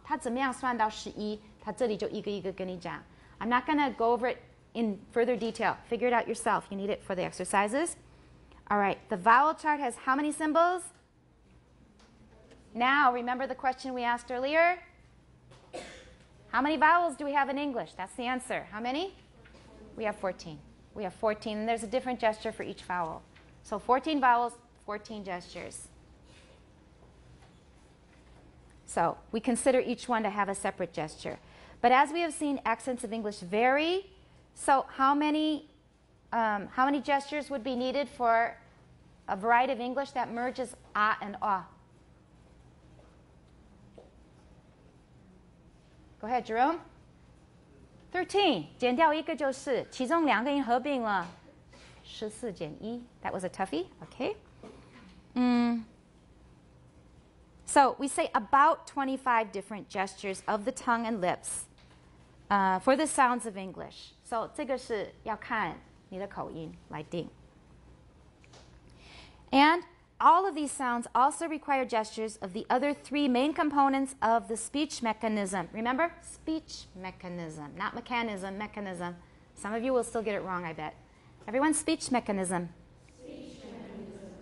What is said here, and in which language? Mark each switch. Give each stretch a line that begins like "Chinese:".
Chinese: 他怎么样算到11,他这里就一个一个跟你讲.
English: I'm not going to go over it in further detail. Figure it out yourself. You need it for the exercises. All right. The vowel chart has how many symbols? Now, remember the question we asked earlier? How many vowels do we have in English? That's the answer. How many? We have 14. We have 14. And there's a different gesture for each vowel. So 14 vowels, 14 gestures. So we consider each one to have a separate gesture. But as we have seen, accents of English vary. So how many gestures would be needed for a variety of English that merges a and a? Go ahead, Jerome. 13.
Chinese: 减掉一个就是其中两个音合并了。14减1.
English: That was a toughie. Okay. So we say about 25 different gestures of the tongue and lips for the sounds of English.
Chinese: So 这个是要看你的口音来定.
English: And all of these sounds also require gestures of the other three main components of the speech mechanism. Remember, speech mechanism, not mechanism, mechanism. Some of you will still get it wrong, I bet. Everyone, speech mechanism. Speech mechanism.